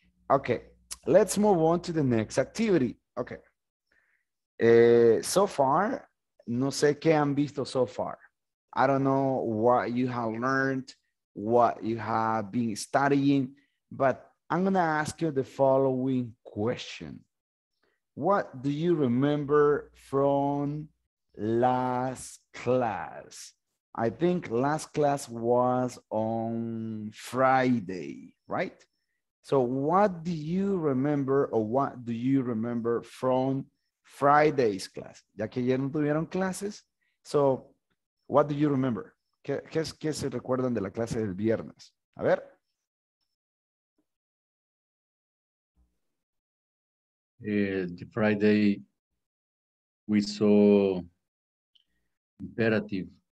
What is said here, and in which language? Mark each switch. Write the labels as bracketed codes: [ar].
[en] Okay, let's move on to the next activity. Okay. So far, [es] no sé qué han visto so far. [en] I don't know what you have learned, what you have been studying, but I'm going to ask you the following question. What do you remember from last class? I think last class was on Friday, right? So what do you remember or what do you remember from Friday's class? [es] Ya que ayer no tuvieron clases. [en] So what do you remember? [es] ¿Qué se recuerdan de la clase del viernes? A ver. [en] The Friday we saw imperative.